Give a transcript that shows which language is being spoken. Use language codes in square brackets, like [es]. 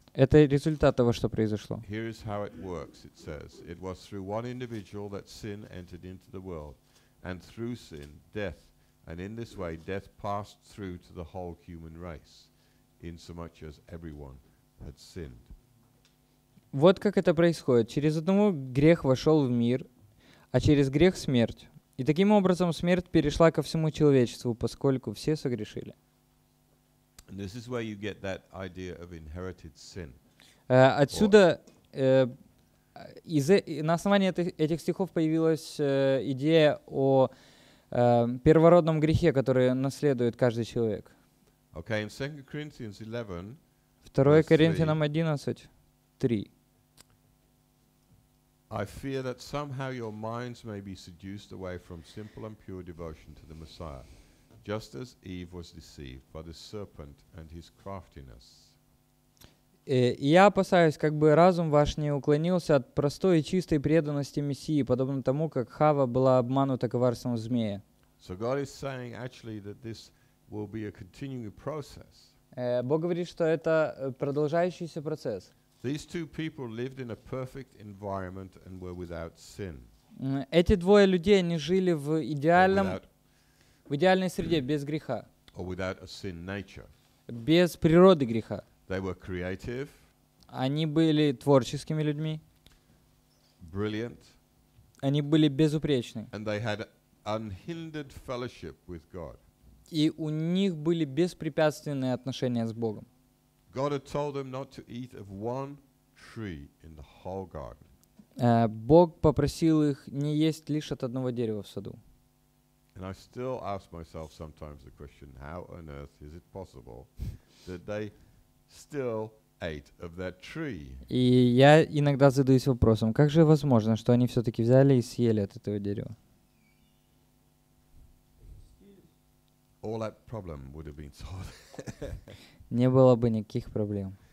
[ru] Это результат того, что произошло. [en] Here is how it works, it says. It was through one individual that sin entered into the world, and through sin, death. And in this way, death passed through to the whole human race, insomuch as everyone had sinned. [ru] Вот как это происходит. Через одного грех вошел в мир, а через грех смерть. И таким образом смерть перешла ко всему человечеству, поскольку все согрешили. [en] And this is where you get that idea of inherited sin. [ru] Отсюда, на основании этих стихов появилась идея о первородном грехе, который наследует каждый человек. [en] Okay, in 2 Corinthians 11, [ru] 2 Коринфянам 11, 3. [en] I fear that somehow your minds may be seduced away from simple and pure devotion to the Messiah, just as Eve was deceived by the serpent and his craftiness. [ru] Я опасаюсь, как бы разум ваш не уклонился от простой и чистой преданности Мессии, подобно тому, как Хава была обманута коварством змея. [en] So God is saying actually that this will be a continuing process. [ru] Бог говорит, что это продолжающийся процесс. [en] These two people lived in a perfect environment and were without sin. [ru] Эти двое людей, они жили в идеальной среде, без греха. [en] Or without a sin nature. [ru] Без природы греха. [en] They were creative. [ru] Они были творческими людьми. [en] Brilliant. [ru] Они были безупречны. [en] And they had unhindered fellowship with God. [ru] И у них были беспрепятственные отношения с Богом. [en] God had told them not to eat of one tree in the whole garden. [ru] Бог попросил их не есть лишь от одного дерева в саду. [en] And I still ask myself sometimes the question, how on earth is it possible that they still ate of that tree? [ru] И я иногда задаюсь вопросом, как же возможно, что они все-таки взяли и съели от этого дерева? [en] all that problem would have been solved. [ru] Не было бы никаких проблем.